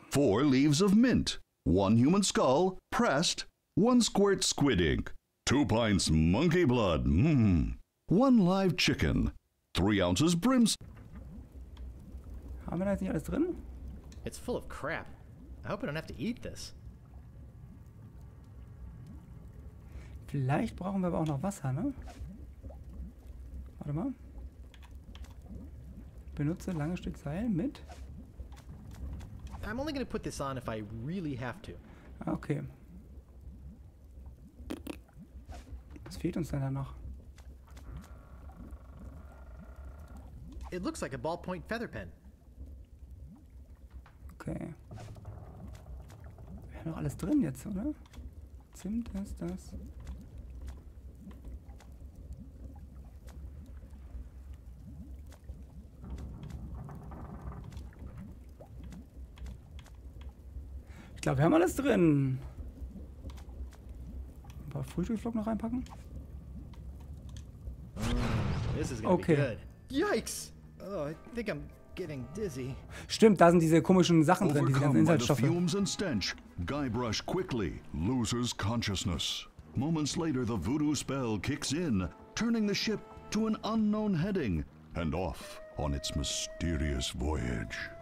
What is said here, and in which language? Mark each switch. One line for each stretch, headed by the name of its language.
English: 4 leaves of mint, 1 human skull, pressed, 1 squirt squid ink, 2 pints monkey blood, 1 live chicken, 3 ounces brimstone.
German: Haben wir da jetzt nicht alles drin?
English: It's full of crap. I hope I don't have to eat this.
German: Vielleicht brauchen wir aber auch noch Wasser, ne? Warte mal. Benutze lange Stück Seil mit.
English: I'm only going to put this on if I really have to. Okay.
German: Was fehlt uns denn da noch? It looks like a ballpoint feather pen. Okay. Wir haben noch alles drin jetzt, oder? Zimt ist das. Ich glaube, wir haben alles drin. Ein paar Frühstücksflocken noch reinpacken.
English: This is gonna okay. Be good. Yikes! Oh, I think I'm getting dizzy.
German: Stimmt, da sind diese komischen Sachen drin, diese ganzen Inhaltsstoffe.
English: Overcome by the fumes and stench, Guybrush quickly loses consciousness. Moments later, the voodoo spell kicks in, turning the ship to an unknown heading and off on its mysterious voyage.